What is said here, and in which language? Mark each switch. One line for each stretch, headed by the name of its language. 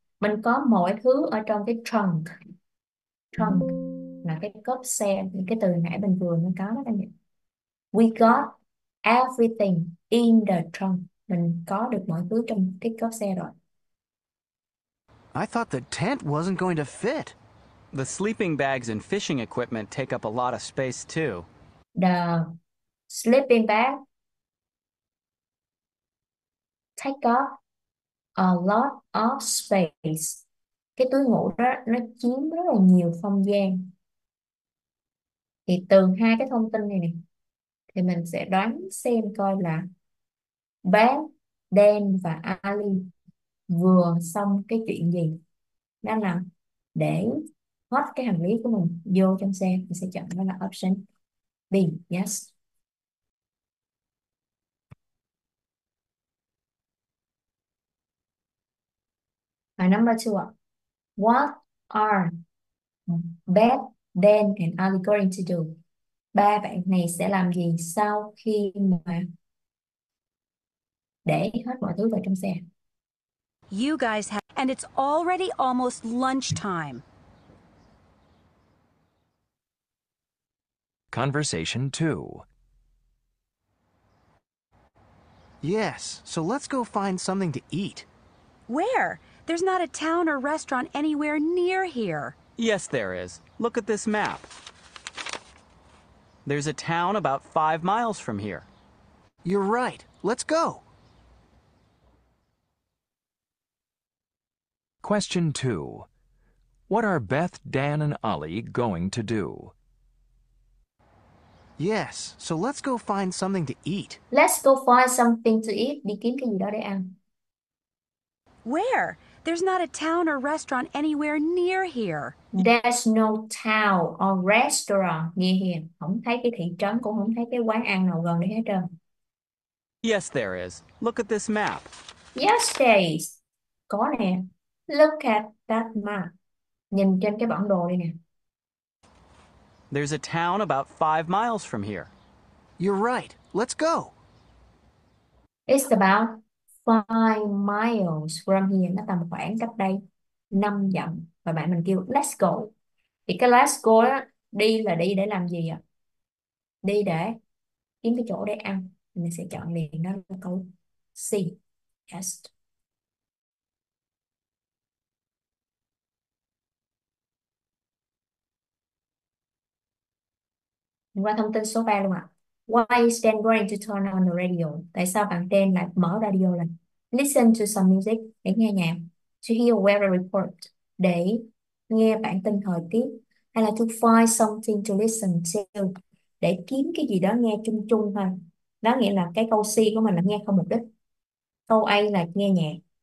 Vietnamese: Mình có mọi thứ ở trong cái trunk. Trunk là cái cốp xe, cái từ nãy mình vừa mới có đó các bạn.
English: We got everything in the trunk.
Vietnamese: Mình có được mọi thứ trong cái cốp xe rồi.
English: I thought the tent wasn't going to fit. The sleeping bags and fishing equipment take up a lot of space, too. The sleeping bag take up a lot of space.
Vietnamese: Cái túi ngủ đó nó chiếm rất là nhiều không gian. Thì từ hai cái thông tin này này thì mình sẽ đoán xem coi là bé Dan và Ali vừa xong cái chuyện gì. Đó là để hết cái hành lý của mình vô trong xe, mình sẽ chọn đó là option B.
English: Yes.
Vietnamese: Và
English: number 2
Vietnamese: ạ.
English: What are Beth, Dan and Ali going to do?
Vietnamese: Ba bạn này sẽ làm gì sau khi mà để hết mọi thứ vào trong xe?
English: You guys have, and it's already almost lunchtime. Conversation 2. Yes, so let's go find something to eat. Where? There's not a town or restaurant anywhere near here. Yes, there is. Look at this map. There's a town about 5 miles from here. You're right. Let's go. Question 2. What are Beth, Dan, and Ollie going to do? Yes, so let's go find something to eat. Let's go find something to eat.
Vietnamese: Đi kiếm cái gì đó để ăn.
English: Where? There's not a town or restaurant anywhere near here. There's no town or restaurant near here.
Vietnamese: Không thấy cái thị trấn cũng không thấy cái quán ăn nào gần đây hết trơn.
English: Yes, there is. Look at this map. Yes, there is.
Vietnamese: Có nè.
English: Look at that map.
Vietnamese: Nhìn trên cái bản đồ đi nè.
English: There's a town about 5 miles from here. You're right. Let's go. It's about 5 miles from here.
Vietnamese: Nó tầm khoảng cách đây 5 dặm. Và bạn mình kêu
English: let's go.
Vietnamese: Thì cái
English: let's go
Vietnamese: đó, đi là đi để làm gì ạ? Đi để kiếm cái chỗ để ăn. Mình sẽ chọn liền đó là câu C. Yes. Mình qua thông tin số 3 luôn ạ.
English: Why is Dan going to turn on the radio?
Vietnamese: Tại sao bạn Dan lại mở radio lên?
English: Listen to some music
Vietnamese: để nghe nhạc.
English: To hear weather report
Vietnamese: để nghe bản tin thời tiết. Hay là
English: to find something to listen to
Vietnamese: để kiếm cái gì đó nghe chung chung thôi. Đó nghĩa là cái câu C của mình là nghe không mục đích. Câu A là nghe nhạc.